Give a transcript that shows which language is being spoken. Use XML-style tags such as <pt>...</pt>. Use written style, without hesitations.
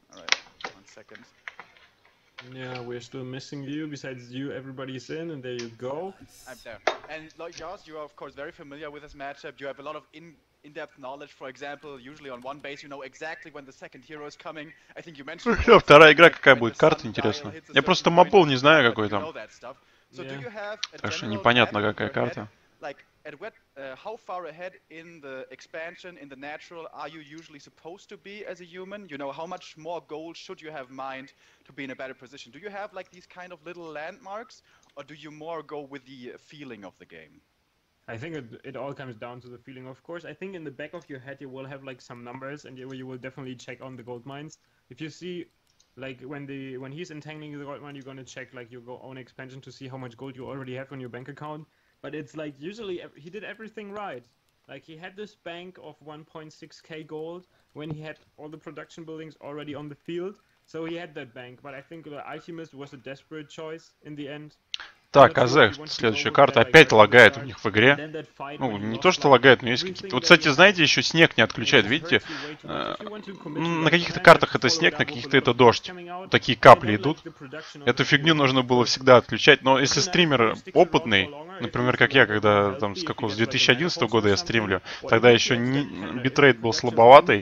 <en>All right, 1 second. Yeah, we're still missing you. Besides you, everybody's in, and there you go. I'm there. And like Joss, you are, of course, very familiar with this matchup. You have a lot of in-depth knowledge, for example, usually on one base, you know exactly when the second hero is coming. I think you mentioned...</en> <ru>Yeah, вторая игра какая будет? Карта, интересно. Я просто мобол не знаю, какой там.</ru> <en>So yeah.</en> <ru>Конечно, непонятно, какая карта.</ru> <en>Like, at what, how far ahead in the expansion, in the natural, are you usually supposed to be as a human? You know, how much more gold should you have mined to be in a better position? Do you have, like, these kind of little landmarks, or do you more go with the feeling of the game? I think it all comes down to the feeling, of course. I think in the back of your head you will have like some numbers, and you will definitely check on the gold mines. If you see, like when he's entangling the gold mine, you're gonna check like your own expansion to see how much gold you already have on your bank account. But it's like usually he did everything right. Like he had this bank of 1.6k gold when he had all the production buildings already on the field, so he had that bank. But I think the Alchemist was a desperate choice in the end.</en> <ru>Так, АЗ, следующая карта, опять лагает у них в игре. Ну, не то, что лагает, но есть какие-то... Вот, кстати, знаете, еще снег не отключает, видите? На каких-то картах это снег, на каких-то это дождь. Такие капли идут. Эту фигню нужно было всегда отключать. Но если стример опытный, например, как я, когда там с какого-то 2011 года я стримлю, тогда еще битрейт был слабоватый.</ru>